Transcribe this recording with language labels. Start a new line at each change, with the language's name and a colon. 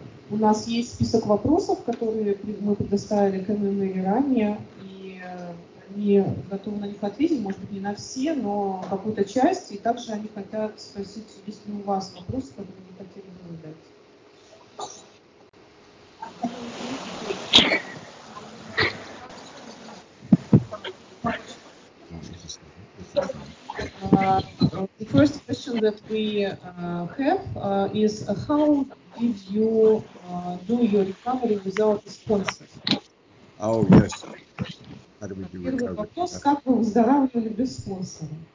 Russian: У нас есть список вопросов, которые мы предоставили Кэмэнэй ранее, и они готовы на них ответить, может быть, не на все, но какую-то часть, и также они хотят спросить, есть ли у вас вопросы, которые они хотели бы задать.
English: The first question that we have is how did you do your recovery without a sponsor? Oh, yes. How did we do recovery?
Russian: Вопрос, как вы выздоравливали без спонсора?